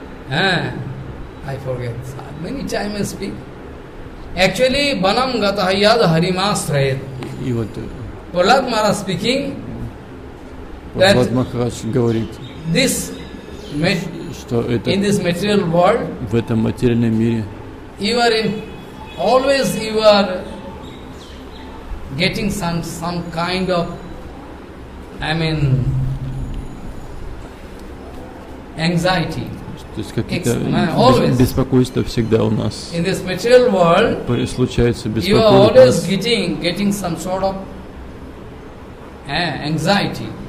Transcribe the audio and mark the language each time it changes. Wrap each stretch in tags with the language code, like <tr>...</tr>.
<en>I forget. Many times I speak.</en> <sa>Actually, Banam Gatahayad Harimasrayat.</sa> <ru>И вот.</ru> <en>Prahlad Maharaj speaking.</en> <ru>Прахлад Махарадж говорит.</ru> <en>This.</en> <ru>Что это?</ru> <en>In this material world.</en> <ru>В этом материальном мире.</ru> <en>You are in, always you are getting some kind of, I mean, anxiety.</en> <ru>То есть какие-то беспокойства всегда у нас.</ru> <en>In this material world,</en> <ru>случается беспокойство.</ru> <en>You are always getting some sort of anxiety.</en>